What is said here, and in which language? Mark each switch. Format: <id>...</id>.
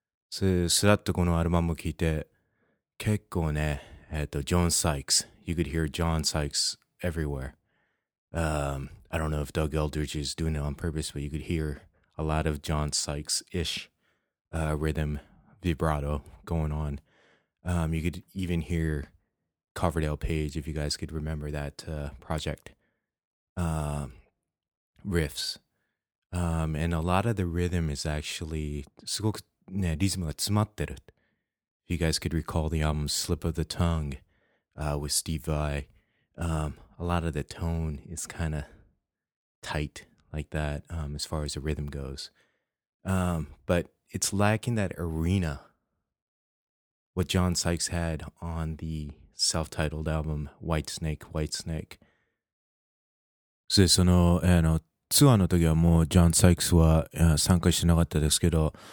<ja>スラッとこのアルバムを聴いて、結構ね、ジョン・サイクス。</ja> <en>You could hear John Sykes everywhere.、I don't know if Doug Aldrich is doing it on purpose, but you could hear a lot of John Sykes-ish、rhythm vibrato going on.、you could even hear Coverdale Page, if you guys could remember that、project、riffs. And a lot of the rhythm is actually</en> <ja>すごくね、リズムが詰まってる。</ja> <en>If you guys could recall the album Slip of the Tongue、with Steve Vai、a lot of the tone is kind of tight like that、as far as the rhythm goes、but it's lacking that arena what John Sykes had on the self-titled album White Snake, White Snake。</en> <ja>そのツアーの時はもうジョン・サイクスは参加してなかったですけど、</ja>